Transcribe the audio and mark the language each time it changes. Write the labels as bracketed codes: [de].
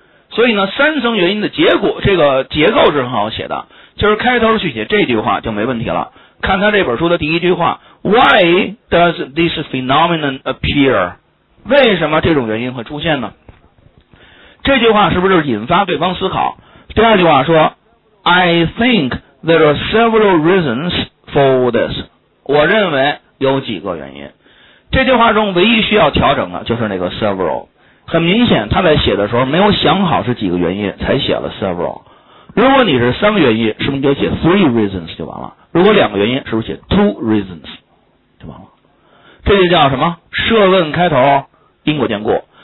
[zh] 所以呢三层原因的结果这个结构是很好写的，就是开头去写这句话就没问题了。看他这本书的第一句话， [en] Why does this phenomenon appear？ [zh] 为什么这种原因会出现呢？这句话是不是引发对方思考？第二句话说 [en] I think there are several reasons for this， [zh] 我认为有几个原因。这句话中唯一需要调整的就是那个 several， 很明显他在写的时候没有想好是几个原因才写了 several。如果你是三个原因是不是就写 [en] three reasons [zh] 就完了，如果两个原因是不是写 [en] two reasons [zh] 就完了。这就叫什么设问开头因果兼顾。